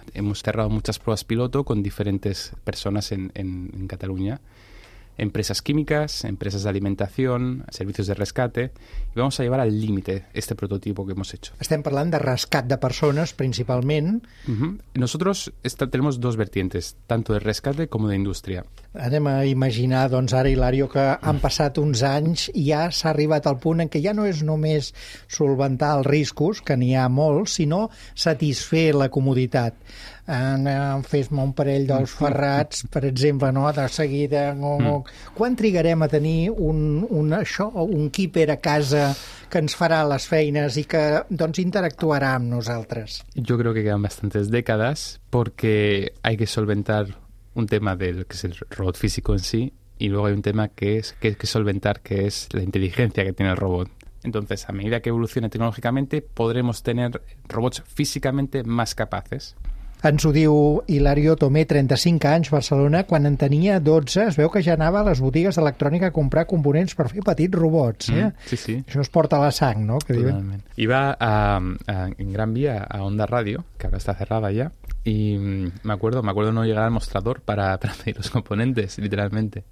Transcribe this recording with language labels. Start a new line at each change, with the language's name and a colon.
Spanish: Hemos cerrado muchas pruebas piloto con diferentes personas en Cataluña. Empresas químicas, empresas de alimentación, servicios de rescate. Y vamos a llevar al límite este prototipo que hemos hecho.
Catalan: Estem parlant de rescat de persones, principalment. Uh-huh.
Spanish: Nosotros tenemos dos vertientes, tanto de rescate como de industria.
Catalan: Anem a imaginar, doncs, ara, Hilario, que han passat uns anys i ja s'ha arribat al punt en què ja no és només solventar els riscos, que n'hi ha molts, sinó satisfer la comoditat. Fes-me un parell dels ferrats, per exemple, no? De seguida. Quan trigarem a tenir un keeper a casa que ens farà les feines i que doncs interactuarà amb nosaltres? Jo crec que queden bastantes dècades perquè
Spanish: hay que solventar un tema del que es el robot físico en sí y luego hay un tema que es solventar, que es la inteligencia que tiene el robot. Entonces, a medida que evolucione tecnológicamente, podremos tener robots físicamente más capaces.
Catalan: Ens ho diu Hilario Tomé, 35 anys, Barcelona. Quan en tenia 12, es veu que ja anava a les botigues d'electrònica a comprar components per fer petits robots. Sí. Això es porta a la sang, no? Totalment. I va en Gran Via a Onda Radio, que ara està cerrada ja,
Spanish: y me acuerdo no llegar al mostrador para pedir los componentes, literalmente.